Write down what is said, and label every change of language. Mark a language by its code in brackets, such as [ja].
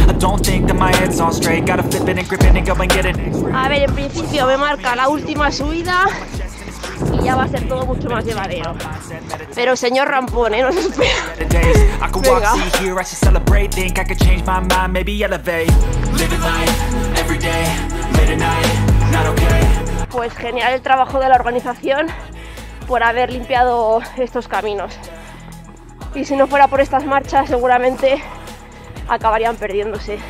[en] I don't think that my head's all straight. Gotta flip it and grip it and go and get it. [es] A ver, en principio me marca la última subida y ya va a ser todo mucho más llevadero. Pero señor Rampón, no se espera. [en] I could walk, see, hear, I should celebrate. Think I could change my mind, maybe elevate. Living life every day, late at night, not okay. [es] Pues genial el trabajo de la organización por haber limpiado estos caminos. Y si no fuera por estas marchas, seguramente acabarían perdiéndose.